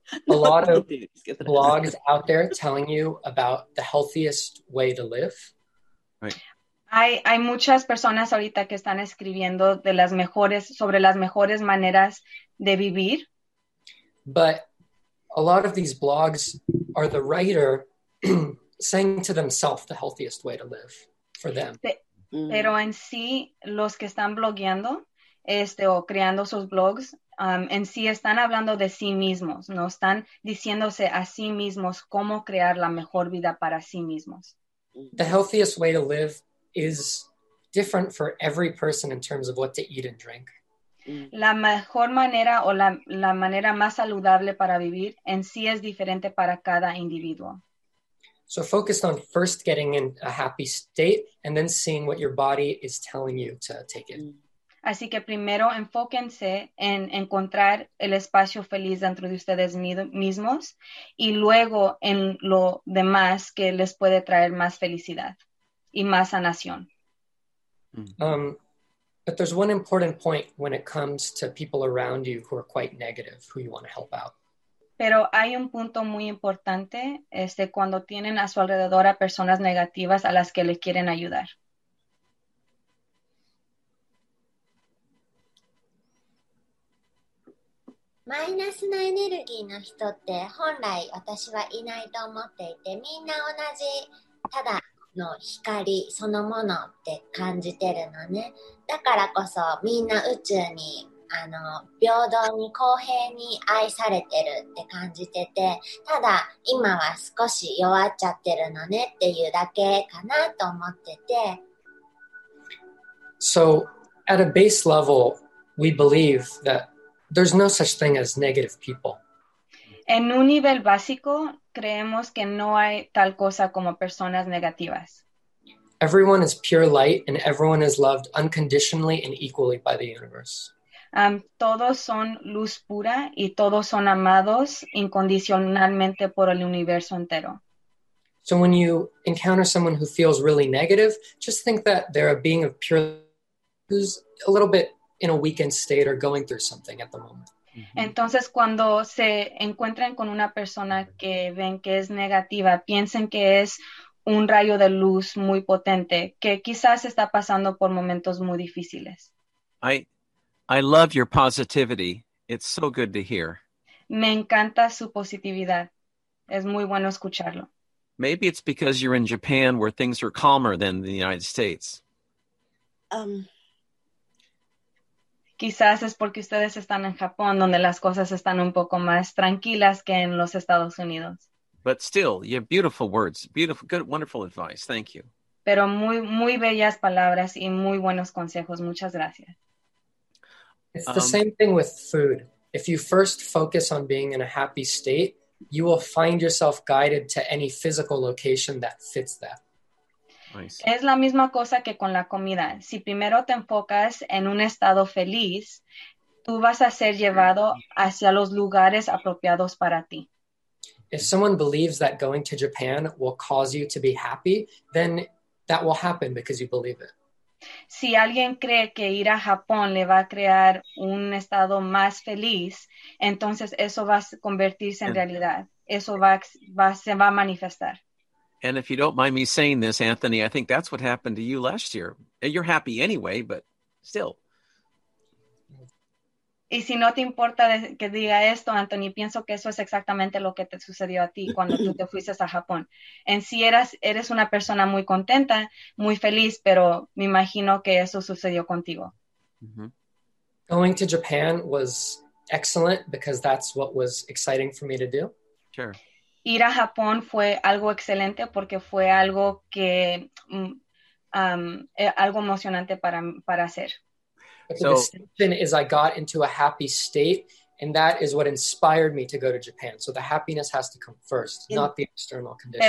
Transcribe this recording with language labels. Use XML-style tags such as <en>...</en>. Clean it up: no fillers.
<en>A lot of blogs out there telling you about the healthiest way to live. Right.</en> <es>Hay muchas personas ahorita que están escribiendo sobre las mejores maneras de vivir.</es> <en>But a lot of these blogs are the writer saying to themselves the healthiest way to live for them.</en> <es>Pero en sí, los que están blogueando o creando sus blogs, en sí están hablando de sí mismos, no están diciéndose a sí mismos cómo crear la mejor vida para sí mismos.</es> <en>The healthiest way to live is different for every person in terms of what to eat and drink.</en> <es>La mejor manera o la manera más saludable para vivir en sí es diferente para cada individuo.</es> <en>So focused on first getting in a happy state and then seeing what your body is telling you to take in.</en> <es>Así que primero enfóquense en encontrar el espacio feliz dentro de ustedes mismos y luego en lo demás que les puede traer más felicidad y más sanación.</es> <en>But there's one important point when it comes to people around you who are quite negative, who you want to help out.</en> <es>Pero hay un punto muy importante cuando tienen a su alrededor a personas negativas a las que le quieren ayudar.</es> <ja>マイナスのエネルギーの人って本来私はいないと思っていて、みんな同じただの光そのものって感じてるのね。だからこそみんな宇宙に平等に公平に愛されてるって感じてて、ただ今は少し弱っちゃってるのねっていうだけかなと思ってて。</ja> <en>So, at a base level, we believe that there's no such thing as negative people.</en> <es>En un nivel básico, creemos que no hay tal cosa como personas negativas.</es> <en>Everyone is pure light and everyone is loved unconditionally and equally by the universe.</en> <es>Todos son luz pura y todos son amados incondicionalmente por el universo entero.</es> <en>So when you encounter someone who feels really negative, just think that they're a being of pure light who's a little bit in a weakened state or going through something at the moment. Mm-hmm.</en> <es>Entonces, cuando se encuentren con una persona que ven que es negativa, piensen que es un rayo de luz muy potente que quizás está pasando por momentos muy difíciles.</es> <en>I love your positivity. It's so good to hear.</en> <es>Me encanta su positividad. Es muy bueno escucharlo.</es> <en>Maybe it's because you're in Japan where things are calmer than the United States.</en> <es>Quizás es porque ustedes están en Japón donde las cosas están un poco más tranquilas que en los Estados Unidos.</es> <en>But still, you have beautiful words. Beautiful, good, wonderful advice. Thank you.</en> <es>Pero muy, muy bellas palabras y muy buenos consejos. Muchas gracias.</es> <en>It's the same thing with food. If you first focus on being in a happy state, you will find yourself guided to any physical location that fits that. Nice.</en> <es>Es la misma cosa que con la comida. Si primero te enfocas en un estado feliz, tú vas a ser llevado hacia los lugares apropiados para ti.</es> <en>If someone believes that going to Japan will cause you to be happy, then that will happen because you believe it.</en> <es>Si alguien cree que ir a Japón le va a crear un estado más feliz, entonces eso va a convertirse en realidad. Eso se va a manifestar.</es> <en>And if you don't mind me saying this, Anthony, I think that's what happened to you last year. You're happy anyway, but still.</en> <es>Y si no te importa que diga esto, Anthony, pienso que eso es exactamente lo que te sucedió a ti cuando tú te fuiste a Japón. En sí eres una persona muy contenta, muy feliz, pero me imagino que eso sucedió contigo. Mm-hmm.</es> <en>Going to Japan was excellent because that's what was exciting for me to do. Sure.</en> <es>Ir a Japón fue algo excelente porque fue algo que algo emocionante para hacer.</es> <en>So, the distinction is I got into a happy state, and that is what inspired me to go to Japan. So the happiness has to come first, not the external condition.</en>